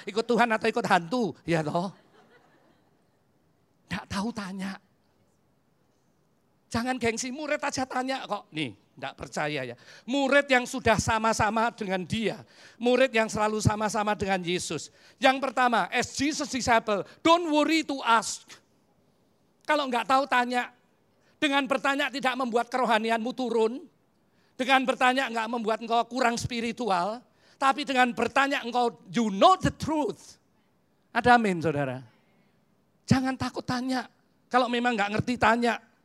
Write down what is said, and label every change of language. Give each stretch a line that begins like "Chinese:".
Indonesian: Ikut Tuhan atau ikut hantu, ya toh. Nggak tahu tanya. Jangan gengsi, murid aja tanya kok. Nih. Tidak percaya ya. Murid yang sudah sama-sama dengan dia. Murid yang selalu sama-sama dengan Yesus. Yang pertama,
English: as Jesus disciple, don't worry to ask.
Indonesian: Kalau enggak tahu, tanya. Dengan bertanya tidak membuat kerohanianmu turun. Dengan bertanya enggak membuat engkau kurang spiritual. Tapi dengan bertanya engkau,
English: you know the truth.
Indonesian: Ada amin, saudara. Jangan takut tanya. Kalau memang enggak ngerti, tanya.